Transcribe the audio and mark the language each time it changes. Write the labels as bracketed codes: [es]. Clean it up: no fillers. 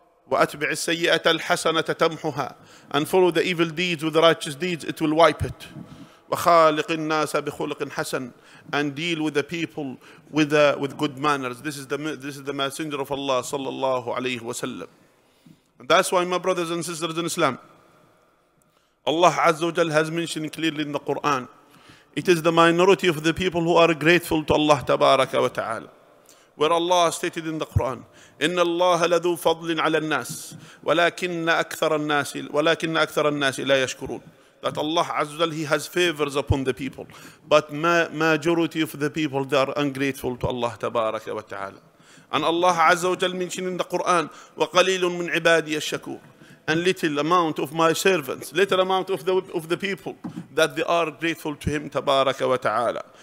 [ar] وأتبع السيئة الحسنة تمحها. [en] And follow the evil deeds with the righteous deeds, it will wipe it. [ar] وخالق الناس بخلق حسن. [en] And deal with the people with good manners. This is the messenger of Allah sallallahu alayhi wa sallam. That's why my brothers and sisters in Islam, Allah Azza wa Jal has mentioned clearly in the Quran, it is the minority of the people who are grateful to Allah tabaraka wa ta'ala. Where Allah stated in the Quran, [ar] إن الله لذو فضل على الناس ولكن أكثر الناس لا يشكرون. [en] That Allah Azza wa Jal, He has favors upon the people, but majority of the people, they are ungrateful to Allah tabaraka wa ta'ala. And Allah Azza wa Jal mentioned in the Quran, [ar] وقليل من عبادي الشكور. [en] And little amount of my servants, little amount of the people, that they are grateful to Him tabaraka wa ta'ala.